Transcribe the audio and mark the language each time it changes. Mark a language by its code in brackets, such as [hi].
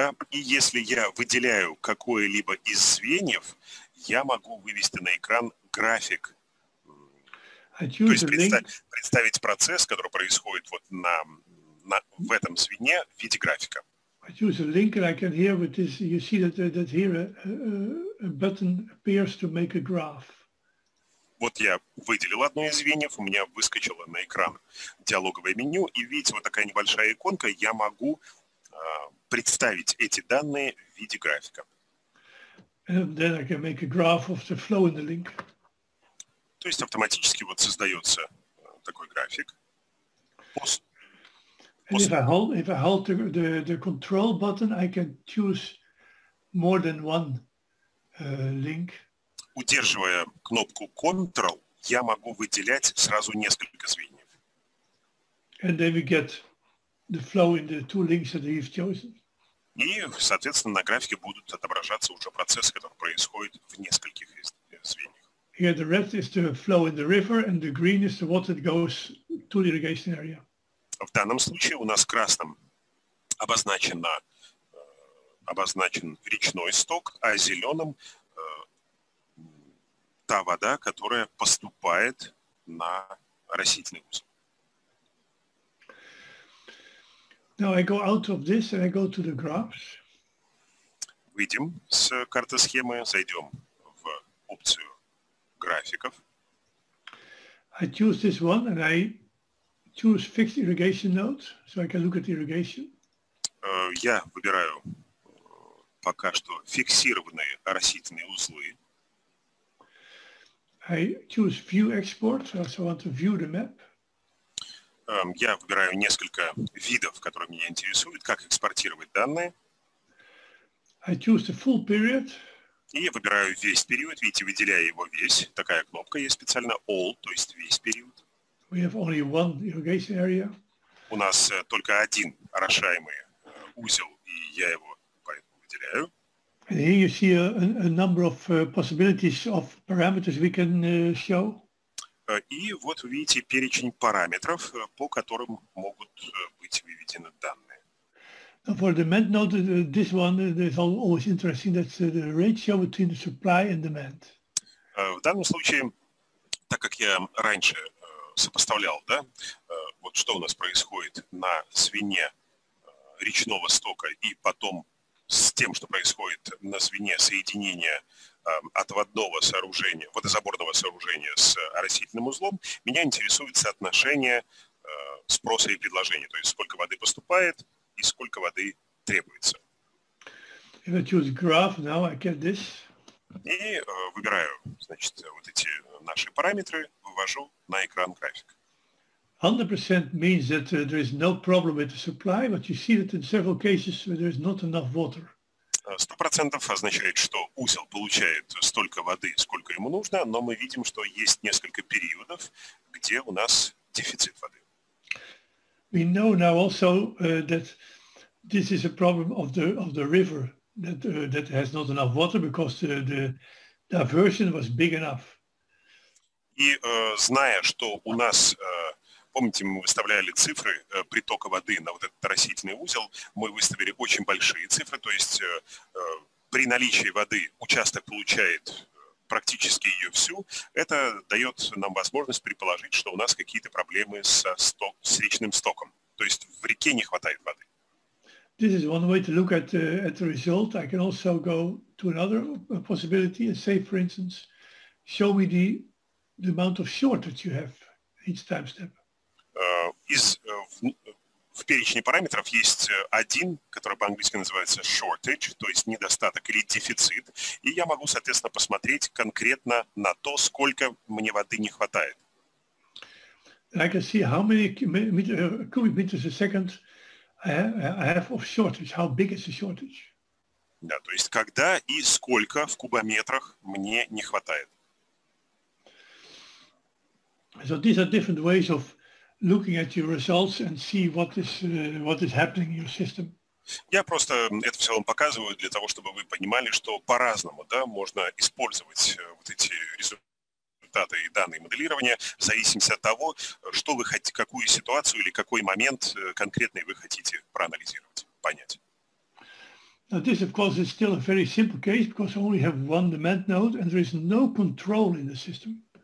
[ru] И если я выделяю какое-либо из звеньев, я могу вывести на экран график. То есть представить процесс, который происходит вот в этом звене в виде графика. [en] I choose a link and I can hear with this, you see that here a button appears to make a graph. [ru] Вот я выделил одно из звеньев, у меня выскочило на экран диалоговое меню, и видите, вот такая небольшая иконка, я могу представить эти данные в виде графика. [en] And then I can make a graph of the flow in the link. [ru] То есть автоматически вот создается такой график. [en] And if I hold the control button, I can choose more than one link. [ru] Удерживая кнопку Ctrl, я могу выделять сразу несколько звеньев. [en] And then we get the flow in the two links that you've chosen. [ru] И, соответственно, на графике будут отображаться уже процессы, которые происходят в нескольких звеньях. [en] Here the red is the flow in the river, and the green is the water that goes to the irrigation area. [ru] В данном случае у нас красным обозначен речной сток, а зеленым та вода, которая поступает на растительный узел. [en] Now I go out of this and I go to the graphs. [ru] Выйдем с карты схемы, зайдем в опцию графиков. [en] I choose this one and I choose fixed irrigation node, so I can look at irrigation. [ru] Я выбираю пока что фиксированные растительные узлы. [en] I choose view export, so I also want to view the map. [ru] Я выбираю несколько видов, которые меня интересуют, как экспортировать данные. [en] I choose the full period. [ru] И я выбираю весь период, видите, выделяя его весь. Такая кнопка есть специально All, то есть весь период. [en] We have only one irrigation area. [ru] У нас только один орошаемый узел, и я его поэтому выделяю. [en] And here you see a number of possibilities of parameters we can show. [ru] И вот вы видите перечень параметров, по которым могут быть выведены данные. [en] Now for the demand node, this one is always interesting. That's the ratio between the supply and demand. [ru] В данном случае, так как я раньше сопоставлял, да, вот что у нас происходит на звене речного стока и потом с тем, что происходит на звене соединения отводного сооружения, водозаборного сооружения с растительным узлом, меня интересует соотношение спроса и предложения, то есть сколько воды поступает и сколько воды требуется. [en] If I choose graph, now I get this. [ru] И выбираю, значит, вот эти наши параметры, вывожу на экран график. [en] 100% means that there is no problem with the supply, but you see that in several cases there is not enough water. [ru] 100% означает, что узел получает столько воды, сколько ему нужно, но мы видим, что есть несколько периодов, где у нас дефицит воды. [en] We know now also that this is a problem of the river, that has not enough water because the diversion was big enough. [ru] И зная, что у нас, помните, мы выставляли цифры притока воды на вот этот растительный узел, мы выставили очень большие цифры, то есть при наличии воды участок получает практически ее всю. Это дает нам возможность предположить, что у нас какие-то проблемы с речным стоком. То есть в реке не хватает воды. [en] This is one way to look at the result. I can also go to another possibility and say, for instance, show me the amount of short that you have each time step. [ru] В перечне параметров есть один, который по-английски называется shortage, то есть недостаток или дефицит, и я могу, соответственно, посмотреть конкретно на то, сколько мне воды не хватает. [en] I can see how many cubic meters a second I have of shortage, how big is the shortage. [ru] Да, то есть когда и сколько в кубометрах мне не хватает. [en] So these are different ways of looking at your results and see what is happening in your system. [ru] Я просто это в целом показываю для того, чтобы вы понимали, что по-разному, да, можно использовать вот эти результаты и данные моделирования в зависимости от того, что вы хотите, какую ситуацию или какой момент конкретный вы хотите проанализировать, понять. [en] Now this, of course, is still a very simple case because I only have one demand node and there is no control in the system.